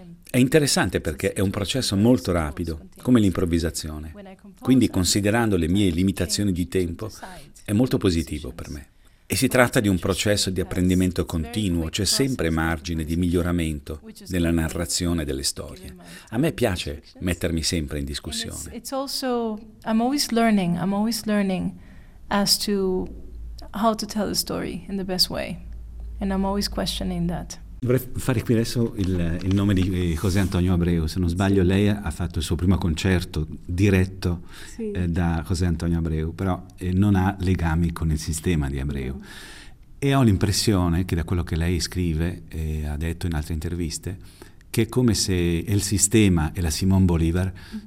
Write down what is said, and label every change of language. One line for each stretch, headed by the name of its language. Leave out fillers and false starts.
Italian: È interessante perché è un processo molto rapido, come l'improvvisazione. Quindi considerando le mie limitazioni di tempo, è molto positivo per me. E si tratta di un processo di apprendimento continuo, c'è sempre margine di miglioramento nella narrazione delle storie. A me piace mettermi sempre in discussione.
English: I'm always learning as to how to tell the story in the best way. And I'm always questioning that.
Italian: Vorrei fare qui adesso il nome di José Antonio Abreu. Se non sbaglio, sì. Lei ha fatto il suo primo concerto diretto, sì. Da José Antonio Abreu, però non ha legami con il sistema di Abreu. No. E ho l'impressione che da quello che lei scrive e ha detto in altre interviste, che è come se il sistema e la Simón Bolívar, mm-hmm.